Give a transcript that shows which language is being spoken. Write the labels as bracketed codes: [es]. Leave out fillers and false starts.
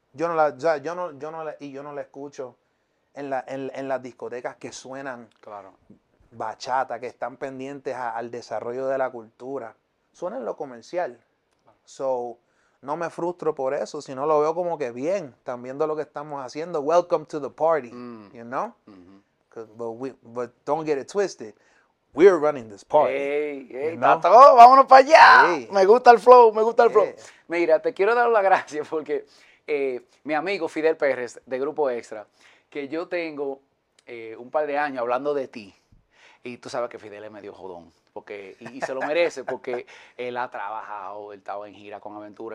[es] Yo no la escucho en las discotecas que suenan, claro, bachata, que están pendientes al desarrollo de la cultura. Suena en lo comercial. So, no me frustro por eso, sino lo veo como que bien, también de lo que estamos haciendo. [en] Welcome to the party, you know? Mm-hmm. But don't get it twisted. We're running this party. Hey, you know? [es] Está todo, vámonos para allá. Hey. Me gusta el flow. Mira, te quiero dar las gracias porque mi amigo Fidel Pérez, de Grupo Extra, que yo tengo un par de años hablando de ti, y tú sabes que Fidel es medio jodón. Porque, y se lo merece porque él ha trabajado, él estaba en gira con Aventura.